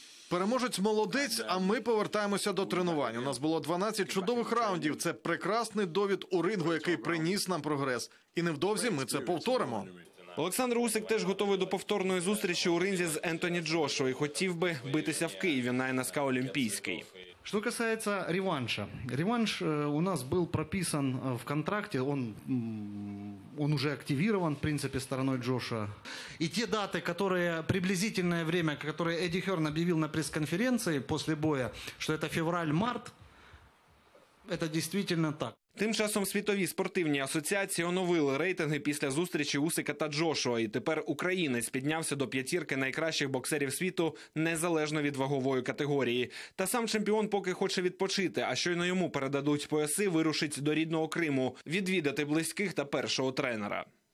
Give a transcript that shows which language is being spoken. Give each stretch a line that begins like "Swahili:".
Ukrainian: Переможець молодець, а ми повертаємося до тренувань. У нас було 12 чудових раундів. Це прекрасний довід у рингу, який приніс нам прогрес. І невдовзі ми це повторимо. Олександр Усик теж готовий до повторної зустрічі у ринзі з Ентоні Джошуа і хотів би битися в Києві на НСК Олімпійський.
Russian: Что касается реванша. Реванш у нас был прописан в контракте, он уже активирован, в принципе, стороной Джошуа. И те даты, которые приблизительное время, которое Эдди Хёрн объявил на пресс-конференции после боя, что это февраль-март, это действительно так.
Ukrainian: Тим часом світові спортивні асоціації оновили рейтинги після зустрічі Усика та Джошуа. І тепер українець піднявся до п'ятірки найкращих боксерів світу незалежно від вагової категорії. Та сам чемпіон поки хоче відпочити, а щойно йому передадуть пояси, вирушить до рідного Криму відвідати близьких та першого тренера.